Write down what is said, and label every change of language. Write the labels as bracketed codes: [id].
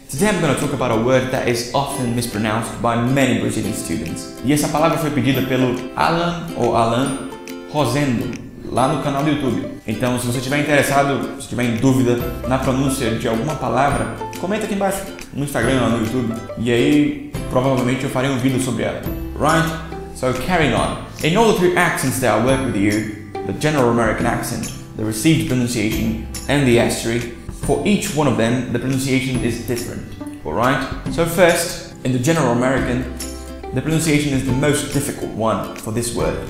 [en] Today I'm going to talk about a word that is often mispronounced by many Brazilian students. [pt] E essa palavra foi pedida pelo Alan ou Alan Rosendo, lá no canal do YouTube. Então, se você estiver interessado, se tiver em dúvida na pronúncia de alguma palavra, comenta aqui embaixo, no Instagram ou no YouTube, e aí provavelmente eu farei um vídeo sobre ela. [en] Right? So, carrying on. In all the three accents that I work with you, the general American accent, the received pronunciation, and the Estuary, for each one of them, the pronunciation is different, alright? So first, in the general American, the pronunciation is the most difficult one for this word.